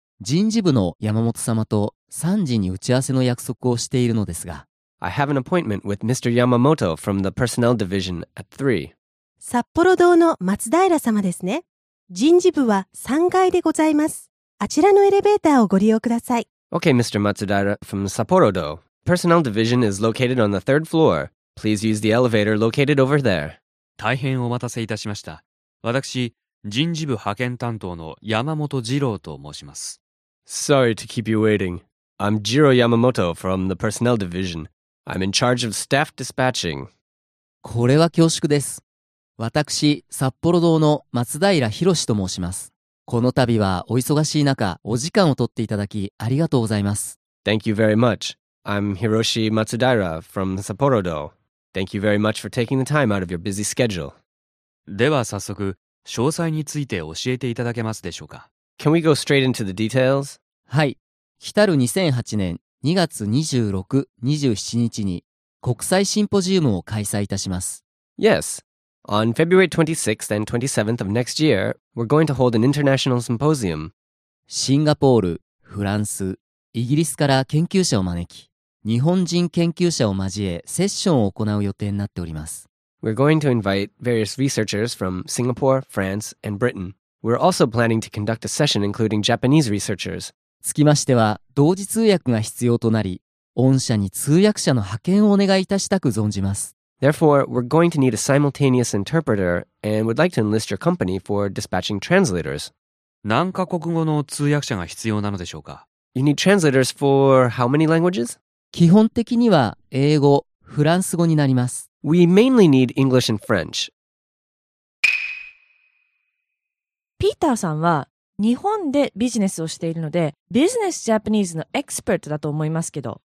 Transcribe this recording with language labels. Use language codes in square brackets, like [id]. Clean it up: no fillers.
[ja] 人事部の山本様と3時に打ち合わせの約束をしているのですが。 [en] I have an appointment with Mr. Yamamoto from the personnel division at 3. [ja] 札幌堂の松平様ですね。人事部は3階でございます。あちらのエレベーターをご利用ください。 [en] Okay, Mr. Matsudaira from Sapporo-do. Personnel division is located on the third floor. Please use the elevator located over there. [ja] 大変お待たせいたしました。私、人事部派遣担当の山本二郎と申します。 [en] Sorry to keep you waiting. I'm Jiro Yamamoto from the personnel division. I'm in charge of staff dispatching. [ja] これは恐縮です。私、札幌堂の松平博士と申します。この度はお忙しい中、お時間を取っていただきありがとうございます。 [en] Thank you very much. I'm Hiroshi Matsudaira from Sapporo-do. Thank you very much for taking the time out of your busy schedule. [ja] では早速、詳細について教えていただけますでしょうか。 [en] Can we go straight into the details? [ja] はい。来る2008年2月26、27日に国際シンポジウムを開催いたします。 [en] Yes. On February 26th and 27th of next year, we're going to hold an international symposium. [ja] シンガポール、フランス、イギリスから研究者を招き、日本人研究者を交えセッションを行う予定になっております。 [en] We're going to invite various researchers from Singapore, France, and Britain. We're also planning to conduct a session including Japanese researchers. [ja] つきましては、同時通訳が必要となり、御社に通訳者の派遣をお願いいたしたく存じます。 [en] Therefore, we're going to need a simultaneous interpreter and would like to enlist your company for dispatching translators. [ja] 何カ国語の通訳者が必要なのでしょうか? [en] You need translators for how many languages? [ja] 基本的には英語、フランス語になります。 [en] We mainly need English and French. [ja] ピーターさんは日本でビジネスをしているので、ビジネスジャパニーズのエキスパートだと思いますけど。